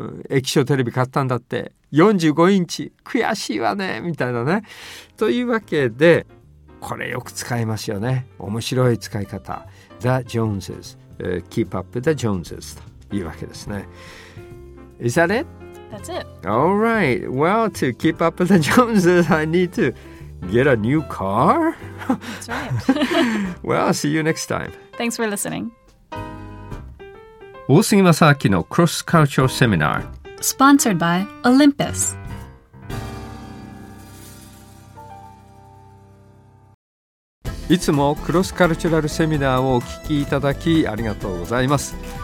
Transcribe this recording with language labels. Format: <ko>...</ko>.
<ja>液晶テレビ買ったんだって45インチ悔しいわねみたいなね、というわけでこれよく使いますよね、面白い使い方</ja> <en>The Joneses、 Keep up with the Joneses</en> <ja>というわけですね。</ja> <en>Is that it? That's it. Alright, well to keep up with the Joneses I need toget a new car? That's right. Well, I'll see you next time. Thanks for listening.</en> <ja>大杉正明のクロスカルチャーセミナー。</ja> <en>Sponsored by Olympus.</en> <ja>いつもクロスカルチャルセミナーをお聞きいただきありがとうございます。</ja>